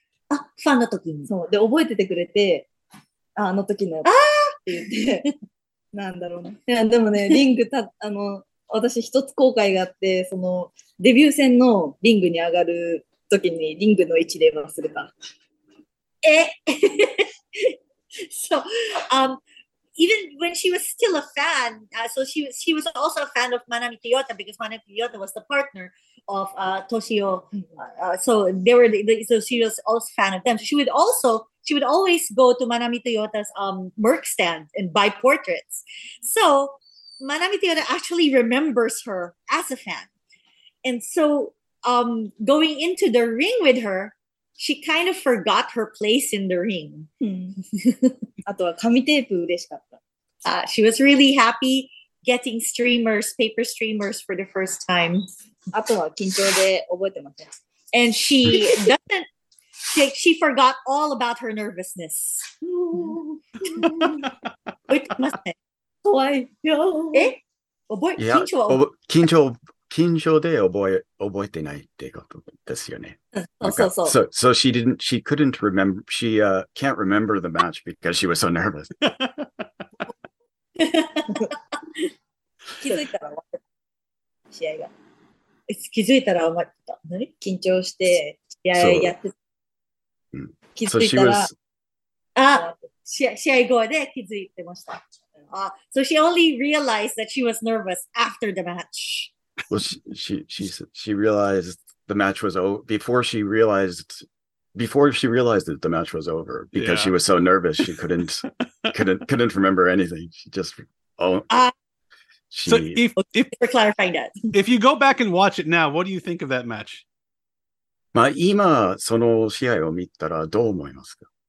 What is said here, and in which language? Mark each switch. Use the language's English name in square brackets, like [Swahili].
[Japanese] あ、ファンの時に。そう。で、覚えててくれて、あの時のやつ。ああって言って、なんだろうな。いや、でもね、リングた、私一つ後悔があって、その、デビュー戦のリングに上がる、時にリングの位置で忘れた。 [English] え So, even when she was still a fan, so she was also a fan of Manami Toyota because Manami Toyota was the partner of Toshio. So they were so she was also a fan of them. So she would always go to Manami Toyota's merch stand and buy portraits. So Manami Toyota actually remembers her as a fan. And so going into the ring with her, she kind of forgot her place in the ring. [Japanese] あとは紙テープ嬉しかった。 [English] She was really happy getting streamers, paper streamers for the first time. [Japanese] あとは緊張で覚えてません。 [English] And she doesn't, she forgot all about her nervousness. [Japanese] 覚えてません。怖いよ。え?覚え、緊張は覚え、緊張。緊張で覚えてないってことですよね。そう。 [English] So she didn't, she couldn't remember, she can't remember the match because she was so nervous. [Japanese] 気づいたら終わった。試合が。気づいたら終わった。何? 緊張して試合やってた。 [English] So, [Japanese] 気づいたら。 [English] So、was... [Japanese] あ試合後で気づいてました。 [English] So she only realized that she was nervous after the match. Well, she realized the match was over before she realized that the match was over because yeah. She was so nervous she couldn't remember anything. She just So if clarifying that. If you go back and watch it now, what do you think of that match? [Japanese] まあ今その試合を見たらどう思いますか？